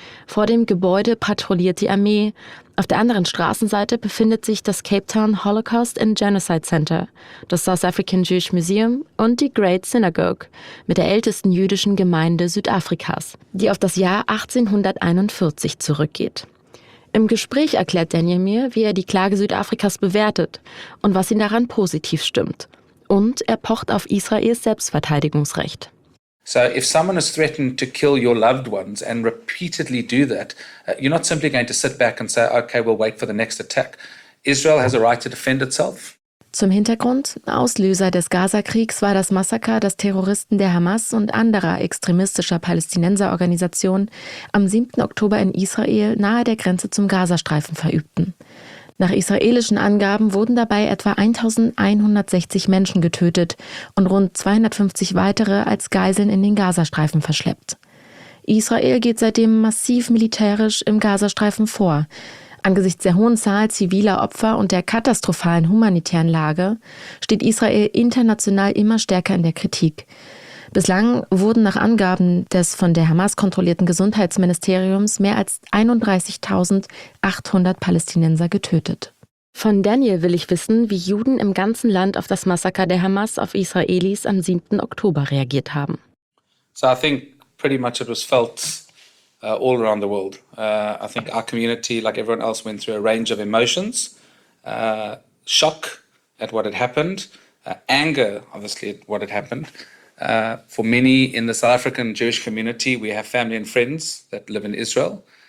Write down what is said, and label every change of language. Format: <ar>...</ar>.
<de>Vor dem Gebäude patrouilliert die Armee. Auf der anderen Straßenseite befindet sich das Cape Town Holocaust and Genocide Center, das South African Jewish Museum und die Great Synagogue mit der ältesten jüdischen Gemeinde Südafrikas, die auf das Jahr 1841 zurückgeht. Im Gespräch erklärt Daniel mir, wie er die Klage Südafrikas bewertet und was ihn daran positiv stimmt. Und er pocht auf Israels Selbstverteidigungsrecht.</de> <en>So if someone is threatened to kill your loved ones and repeatedly do that, you're not simply going to sit back and say, okay, we'll wait for the next attack. Israel has a right to defend itself.</en> <de>Zum Hintergrund, Auslöser des Gaza-Kriegs war das Massaker, das Terroristen der Hamas und anderer extremistischer Palästinenserorganisationen am 7. Oktober in Israel nahe der Grenze zum Gazastreifen verübten. Nach israelischen Angaben wurden dabei etwa 1160 Menschen getötet und rund 250 weitere als Geiseln in den Gazastreifen verschleppt. Israel geht seitdem massiv militärisch im Gazastreifen vor. Angesichts der hohen Zahl ziviler Opfer und der katastrophalen humanitären Lage steht Israel international immer stärker in der Kritik. Bislang wurden nach Angaben des von der Hamas kontrollierten Gesundheitsministeriums mehr als 31.800 Palästinenser getötet. Von Daniel will ich wissen, wie Juden im ganzen Land auf das Massaker der Hamas auf Israelis am 7. Oktober reagiert haben.</de> <en>So I think pretty much it was felt all around the world. I think our community, like everyone else, went through a range of emotions. Shock at what had happened, anger obviously at what had happened. For many in the South African Jewish community, we have family and friends that live in Israel.</en>